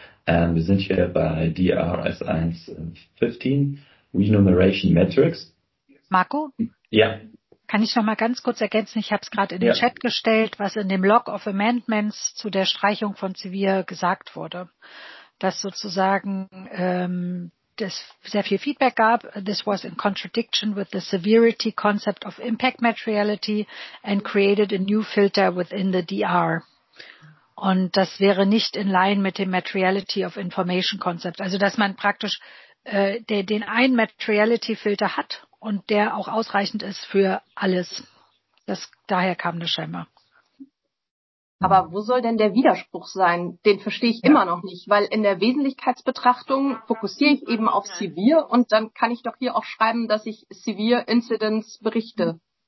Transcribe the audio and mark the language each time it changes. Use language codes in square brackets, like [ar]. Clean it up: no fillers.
[de] Wir sind hier bei DRS 1.15, Renumeration Metrics. Marco? Ja. Kann ich noch mal ganz kurz ergänzen? Ich habe es gerade in den Chat gestellt, was in dem Log of Amendments zu der Streichung von Sevier gesagt wurde. Dass sozusagen das sehr viel Feedback gab. [en] This was in contradiction with the severity concept of impact materiality and created a new filter within the DR. [de] Und das wäre nicht in line mit dem materiality of information concept. Also dass man praktisch den einen materiality Filter hat und der auch ausreichend ist für alles. Das, daher kam das scheinbar. Aber wo soll denn der Widerspruch sein? Den verstehe ich immer noch nicht, weil in der Wesentlichkeitsbetrachtung fokussiere ich eben auf Severe und dann kann ich doch hier auch schreiben, dass ich Severe Incidents berichte.